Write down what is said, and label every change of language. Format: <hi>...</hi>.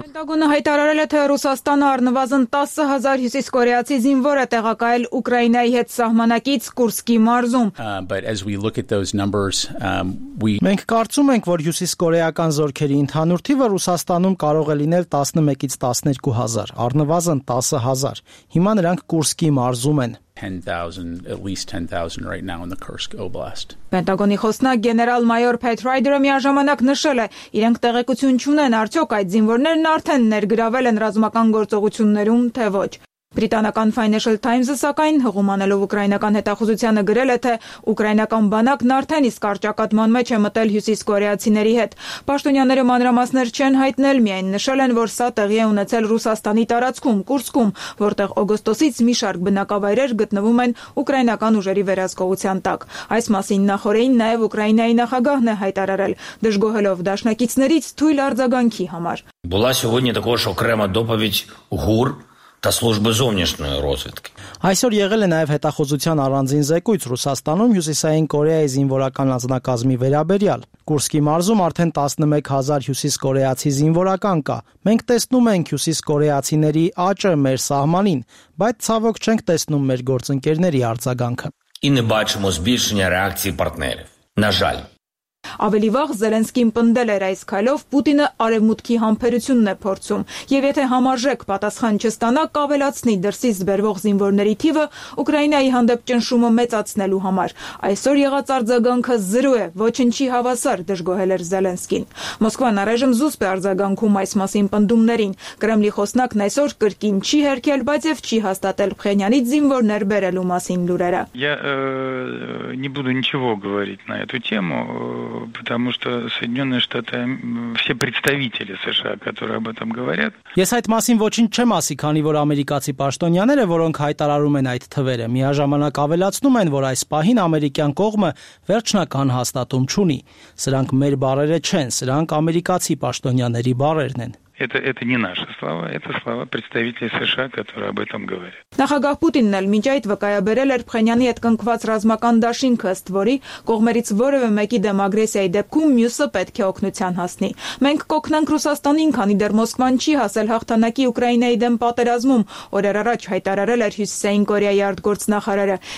<hy>Պենտագոնը հայտարարել է, թե Ռուսաստանը առնվազն 10,000 հյուսիսկորեացի զինվոր է տեղակայել Ուկրաինայի հետ սահմանակից Կուրսկի մարզում։ Մենք կարծում ենք, որ հյուսիսկորեական զորքերի ընդհանուր թիվը Ռուսաստանում կարող է լինել 11-ից 12,000, առնվազն 10,000։ Հիմա նրանք Կուրսկի մարզում են։</hy> <en>10,000, at least 10,000 right now in the Kursk Oblast.</en> <hy>Պենտագոնի խոսնակ գեներալ-մայոր Փեթ Ռայդերը միաժամանակ նշել է, իրենք տեղեկություն չունեն, արդյոք այդ զինվորներն արդեն ներգրավել են ռազմական գործողություններում, թե ոչ։ Բրիտանական Financial Times-ը, սակայն, հղումանելով ուկրաինական հետախուզությանը, գրել է, թե ուկրաինական բանակն արդեն իսկ արճակատման մեջ է մտել հյուսիսկորեացիների հետ։ Պաշտոնյաները մանրամասներ չեն հայտնել, միայն նշել են, որ սա տեղի է ունեցել Ռուսաստանի տարածքում, Կուրսկում, որտեղ օգոստոսից մի շարք բնակավայրեր գտնվում են ուկրաինական ուժերի վերահսկողության տակ։ Այս մասին նախորդին նաև Ուկրաինայի նախագահն է հայտարարել, դժգոհելով դաշնակիցներից թույլ արձագանքի համար։</hy> <uk>Була сьогодні також окрема доповідь ГУР та служби зовнішньої розвідки.</uk> <hy>Այսօր եղել է նաև հետախուզության առանձին զեկույց Ռուսաստանում Հյուսիսային Կորեայի զինվորական անձնակազմի վերաբերյալ։ Կուրսկի մարզում արդեն 11,000 հյուսիսկորեացի զինվորական կա։ Մենք տեսնում ենք հյուսիսկորեացիների աճը մեր սահմանին, բայց ցավոք չենք տեսնում մեր գործընկերների արձագանքը։</hy> <uk>І не бачимо збільшення реакції партнерів. На жаль,</uk> <hy>Ավելի վաղ Զելենսկին պնդել էր այս քայլով, Պուտինը արևմուտքի համբերությունն է փորձում, եւ եթե համարժեք պատասխան չստանա, կավելացնի դրսից բերվող զինվորների թիվը Ուկրաինայի հանդեպ ճնշումը մեծացնելու համար։ Այսօր եղած արձագանքը 0 է, ոչնչի հավասար, դժգոհել էր Զելենսկին։ Մոսկվան առայժմ զուսպ է արձագանքում այս մասին պնդումներին։ Կրեմլի խոսնակն այսօր կրկին չի հերքել, բայց եւ չի հաստատել Փխենյանից զինվորներ բերելու մասին լուրերը։</hy> <ru>Я не буду ничего говорить на эту тему. потому что Соединенные Штаты, все представители США, которые об этом говорят.</ru> <hy>Ես այդ մասին ոչինչ չեմ ասի, քանի որ ամերիկացի պաշտոնյաները, որոնք հայտարարում են այդ թվերը, միաժամանակ ավելացնում են, որ այս պահին ամերիկյան կողմը վերջնական հաստատում չունի. Սրանք մեր բարերը չեն, սրանք ամերիկացի պաշտոնյաների բարերն են.</hy> <ru>Это не наши слова, это слова представителей США, которые об этом говорят.</ru> <hy>Նախագահ Պուտինն էլ մինչ այդ վկայաբերել էր Փխենյանի հետ կնքված ռազմական դաշինքը, ըստ որի կողմերից որևէ մեկի դեմ ագրեսիայի դեպքում մյուսը պետք է օգնության հասնի. Մենք կօգնենք Ռուսաստանին, քանի դեռ Մոսկվան չի հասել հաղթանակի Ուկրաինայի դեմ պատերազմում, օրեր առաջ հայտարարել էր Հյուսիսային Կորեայի արտգործնախարարը.</hy>